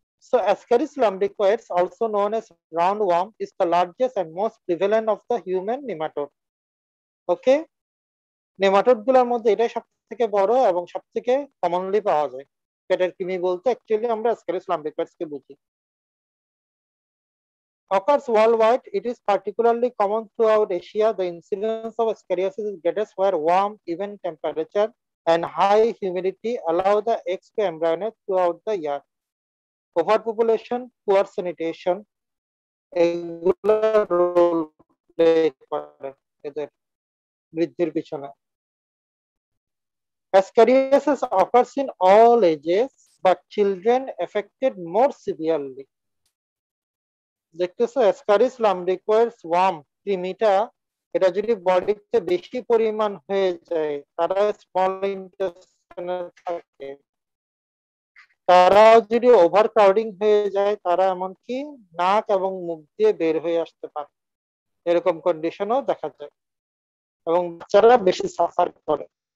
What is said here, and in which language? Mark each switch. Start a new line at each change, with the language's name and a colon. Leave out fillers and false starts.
English: So ascaris lumbricoides also known as round worm is the largest and most prevalent of the human nematode.
Bangla: Okay, nematode গুলোর মধ্যে এটাই সব থেকে বড় এবং সব থেকে কমনলি পাওয়া যায়। পেটের কৃমি বলতে অ্যাকচুয়ালি আমরা অ্যাসকারিস ল্যাম্বিকয়েডস কে বুঝি।
English: Occurs worldwide, it is particularly common throughout Asia. The incidence of ascariasis is greatest where warm, even temperature and high humidity allow the eggs to embryonate throughout the year. Overpopulation, poor sanitation, regular role play for
Bangla: বৃদ্ধির পিছনে।
English: Ascariasis occurs in all ages, but children affected more severely.
Bangla: দেখতেছো ascaris ল্যাম্বিকয়েডস worm কৃমিটা, এটা যদি বডিতে বেশি পরিমাণ হয়ে যায় তারা স্মল ইন্টেস্টাইনে থাকে, তারা যদি ওভার ক্রাউডিং হয়ে যায় তারা এমনকি নাক এবং মুখ দিয়ে বের হয়ে আসতে পারে, এরকম কন্ডিশনও দেখা যায় এবং বাচ্চারা বেশি সাফার করে।